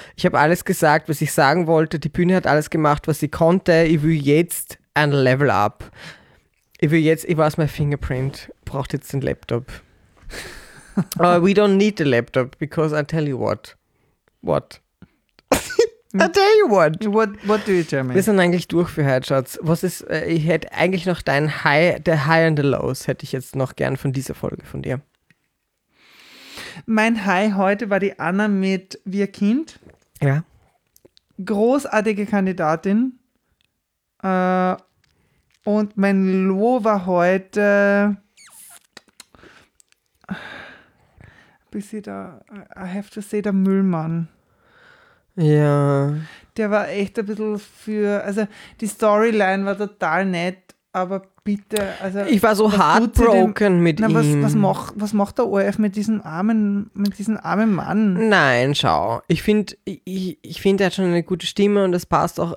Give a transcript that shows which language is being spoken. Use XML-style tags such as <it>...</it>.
<de>Ich habe alles gesagt, was ich sagen wollte, die Bühne hat alles gemacht, was sie konnte. Ich will jetzt ein Level up. Ich weiß, mein Fingerprint braucht jetzt den Laptop.</de> <en>we don't need the laptop, because I tell you what. What? I tell you what. What do you tell me?</en> <de>Wir sind eigentlich durch für heute, Schatz. Was ist, ich hätte eigentlich noch dein High,</de> <en>the High and the Lows,</en> <de>hätte ich jetzt noch gern von dieser Folge von dir. Mein High heute war die Anna mit Wir Kind. Ja. Großartige Kandidatin. Und mein Low war heute...</de> <en>I have to say,</en> <de>der Müllmann. Ja. Der war echt ein bisschen für, also die Storyline war total nett, aber bitte, also. Ich war so heartbroken mit ihm. Was macht der ORF mit diesem armen Mann? Nein, schau, ich finde, er hat schon eine gute Stimme und das passt auch.</de>